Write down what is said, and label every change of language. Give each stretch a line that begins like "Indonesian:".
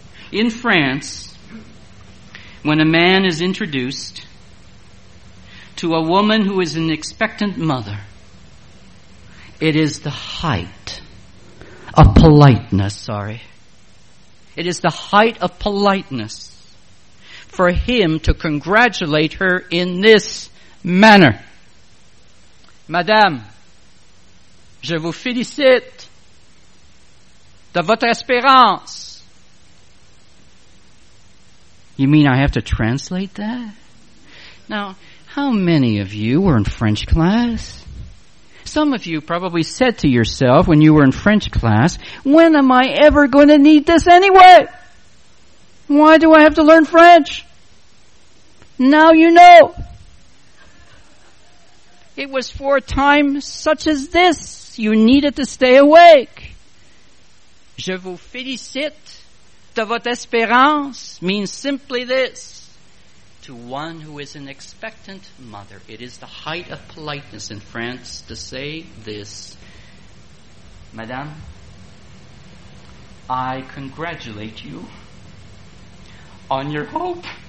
English: In France, when a man is introduced to a woman who is an expectant mother, it is the height of politeness, It is the height of politeness for him to congratulate her in this manner.
French: Madame, je vous félicite de votre espérance.
English: You mean I have to translate that? Now, how many of you were in French class? Some of you probably said to yourself when you were in French class, when am I ever going to need this anyway? Why do I have to learn French? Now you know. It was for a time such as this you needed to stay awake.
French: Je vous félicite de votre espérance
English: means simply this. To one who is an expectant mother, it is the height of politeness in France to say this. Madame, I congratulate you on your hope.